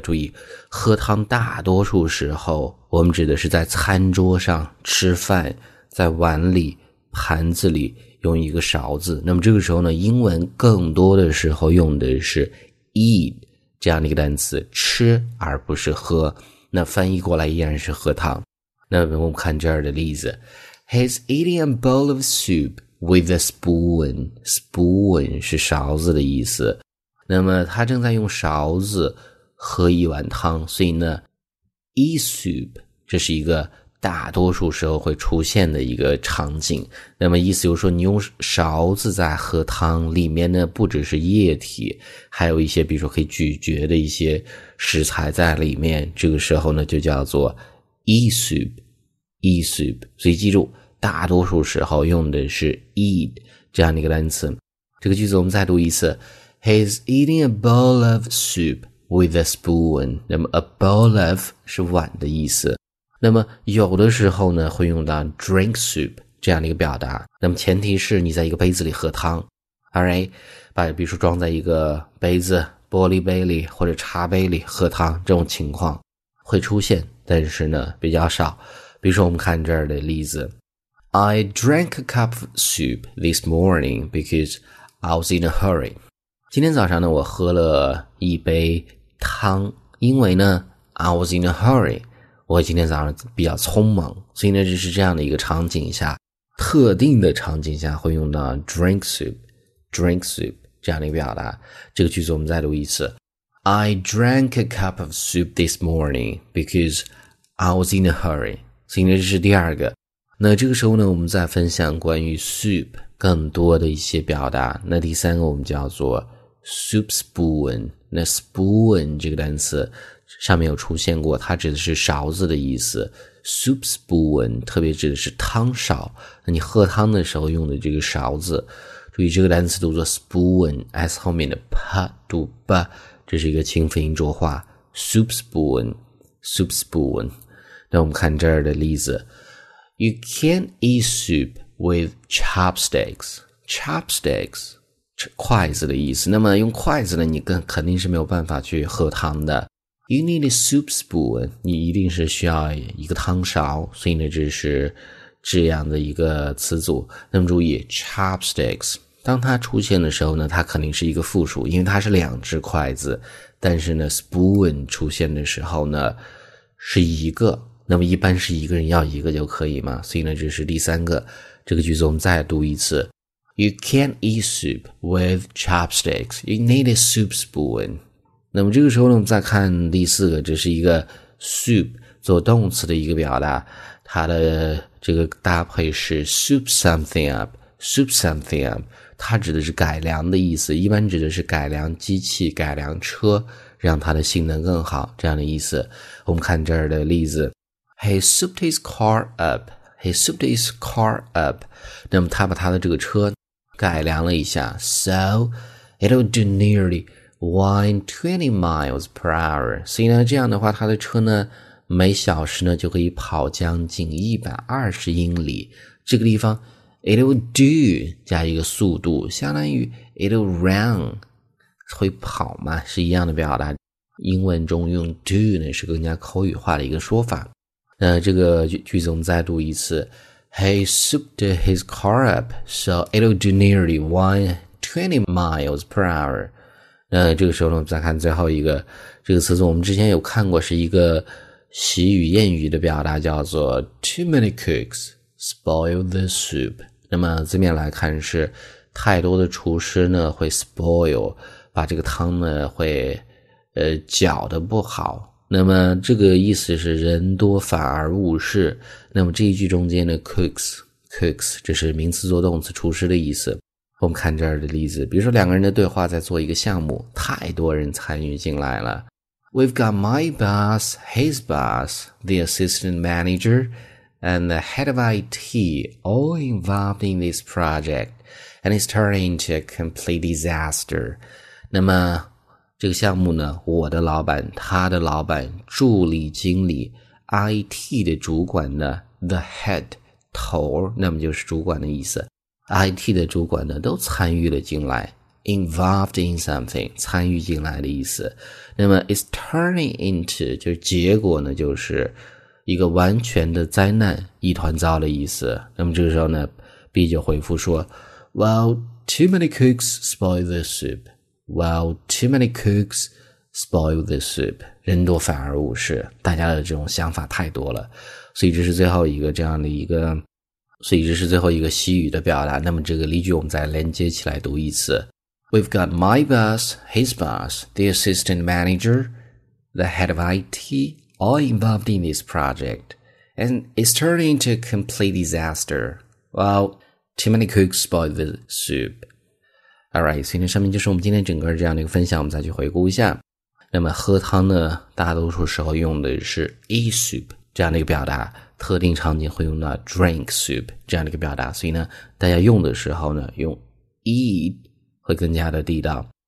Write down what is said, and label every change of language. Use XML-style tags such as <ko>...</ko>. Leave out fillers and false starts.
<zh>注意，喝汤大多数时候我们指的是在餐桌上吃饭，在碗里、盘子里用一个勺子。那么这个时候呢，英文更多的时候用的是eat 这样的一个单词，吃而不是喝，那翻译过来依然是喝汤。那我们看这儿的例子，</zh> <en>He's eating a bowl of soup with a spoon.</en> <zh>Spoon 是勺子的意思，那么他正在用勺子喝一碗汤，所以呢 eat soup 这是一个大多数时候会出现的一个场景。那么意思就是说，你用勺子在喝汤，里面呢不只是液体，还有一些比如说可以咀嚼的一些食材在里面，这个时候呢就叫做 eat soup, eat soup。所以记住，大多数时候用的是 eat 这样的一个单词。这个句子我们再读一次，</zh> <en>He's eating a bowl of soup with a spoon。</en> <zh>那么 a bowl of 是碗的意思，那么有的时候呢会用到 drink soup 这样的一个表达，那么前提是你在一个杯子里喝汤。 Alright, 把比如说装在一个杯子，玻璃杯里或者茶杯里喝汤，这种情况会出现，但是呢比较少。比如说我们看这儿的例子，</zh> <en>I drank a cup of soup this morning because I was in a hurry.</en> <zh>今天早上呢我喝了一杯汤，因为呢</zh> <en>I was in a hurry,</en> <zh>我今天早上比较匆忙，所以呢就是这样的一个场景下，特定的场景下会用到 drink soup, drink soup 这样的一个表达。这个句子我们再读一次，</zh> <en>I drank a cup of soup this morning because I was in a hurry.</en> <zh>所以呢这是第二个。那这个时候呢我们再分享关于 soup 更多的一些表达。那第三个我们叫做 soup spoon, 那 spoon 这个单词上面有出现过，它指的是勺子的意思。 soup spoon 特别指的是汤勺，那你喝汤的时候用的这个勺子。注意这个单词读作 spoon, S 后面的 p 读 b, 这是一个清辅音浊化， soup spoon, soup spoon。那我们看这儿的例子，</zh> <en>You can't eat soup with chopsticks.</en> <zh>Chopsticks 筷子的意思，那么用筷子呢你肯定是没有办法去喝汤的。</zh> <en>You need a soup spoon,</en> <zh>你一定是需要一个汤勺，所以呢这是这样的一个词组。那么注意 chopsticks, 当它出现的时候呢它肯定是一个复数，因为它是两只筷子，但是呢 spoon 出现的时候呢是一个，那么一般是一个人要一个就可以嘛，所以呢这是第三个。这个句子我们再读一次，</zh> <en>You can't eat soup with chopsticks, you need a soup spoon。</en> <zh>那么这个时候呢我们再看第四个，这是一个 soup 做动词的一个表达，它的这个搭配是 soup something up, soup something up, 它指的是改良的意思，一般指的是改良机器、改良车，让它的性能更好，这样的意思。我们看这儿的例子，</zh> <en>He souped his car up, He souped his car up,</en> <zh>那么他把他的这个车改良了一下，</zh> <en>So it'll do nearly wind 20 miles per hour.</en> <zh>所以呢这样的话他的车呢每小时呢就可以跑将近120英里。这个地方 it'll do 加一个速度，相当于 it'll run, 会跑嘛，是一样的表达。英文中用 do 呢是更加口语化的一个说法。那这个句子我们再读一次，</zh> <en>He souped his car up, so it'll do nearly wind 20 miles per hour.</en> <zh>那这个时候呢我们再看最后一个这个词组，我们之前有看过，是一个习语谚语的表达，叫做</zh> <en>Too many cooks spoil the soup。</en> <zh>那么字面来看是太多的厨师呢会 spoil, 把这个汤呢会搅得不好。那么这个意思是人多反而误事。那么这一句中间的 cooks 这是名词做动词，厨师的意思。我们看这儿的例子，比如说两个人的对话在做一个项目，太多人参与进来了。</zh> <en>We've got my boss, his boss, the assistant manager, and the head of IT all involved in this project, and it's turning into a complete disaster. 那么</en> <zh>这个项目呢，我的老板、他的老板、助理经理、IT 的主管呢 ，the head 头，那么就是主管的意思。 IT 的主管呢，都参与了进来 ，involved in something 参与进来的意思。那么 it's turning into 就是结果呢，就是一个完全的灾难，一团糟的意思。那么这个时候呢 ，B 就回复说 ，</zh> <en>Well, too many cooks spoil the soup. Well, too many cooks spoil the soup.</en> <zh>人多反而误事，大家的这种想法太多了。所以这是最后一个这样的一个，所以这是最后一个西语的表达。那么这个例句我们再连接起来读一次。</zh> <en>We've got my boss, his boss, the assistant manager, the head of IT, all involved in this project. And it's turning into a complete disaster. Well, too many cooks spoil the soup.</en> <zh>Alright, 所以上面就是我们今天整个这样的一个分享，我们再去回顾一下。那么喝汤呢，大多数时候用的是 a soup 这样的一个表达，特定场景会用到 drink soup 这样的一个表达，所以呢大家用的时候呢用 eat 会更加的地道。</zh>